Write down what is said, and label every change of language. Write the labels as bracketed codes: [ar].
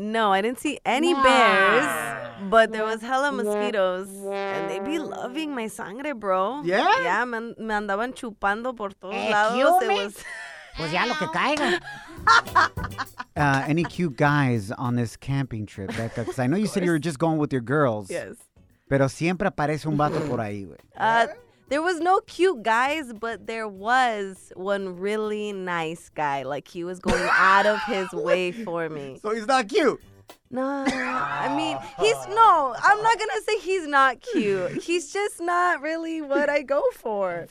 [en] No, I didn't see any bears, but there was hella mosquitoes. And they be loving my sangre, bro. Yeah? [es] Yeah, me andaban chupando por todos lados. Pues ya lo que caiga. [en] Any cute guys on this camping trip, Becca? Because I know you said you were just going with your girls. Yes. [es] Pero siempre aparece un vato por ahí, güey. [en] There was no cute guys, but there was one really nice guy. Like, he was going out of his way for me. So he's not cute? No. I mean, I'm not going to say he's not cute. He's just not really what I go for.